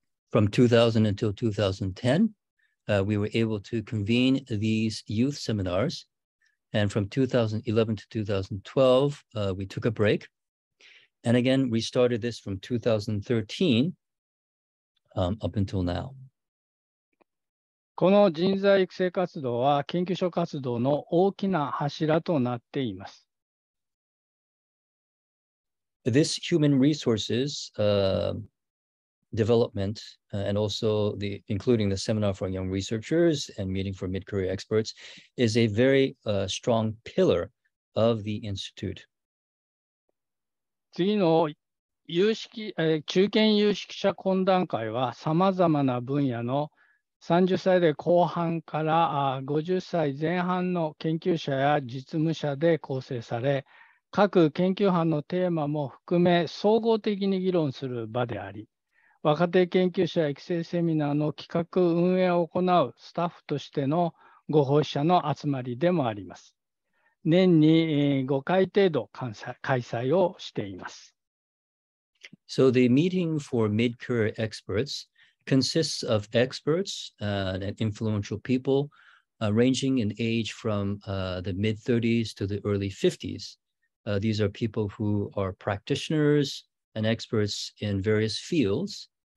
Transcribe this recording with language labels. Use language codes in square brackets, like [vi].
[en] From 2000 until 2010, we were able to convene these youth seminars. And from 2011 to 2012, we took a break. And again, we started this from 2013, up until now. [ja] この人材育成活動は研究所活動の大きな柱となっています。 [en] This human resources, development and also the including the seminar for young researchers and meeting for mid-career experts is a very strong pillar of the institute. [ja] 次の有識、中堅有識者懇談会はさまざまな分野の30歳で後半から50歳前半の研究者や実務者で構成され、各研究班のテーマも含め総合的に議論する場であり、若手研究者育成セミナーの企画運営を行うスタッフとしてのご奉仕者の集まりでもあります。年に5回程度開催をしています。 [en] So the meeting for mid-career experts consists of experts and influential people ranging in age from the mid-30s to the early 50s. These are people who are practitioners and experts in various fields.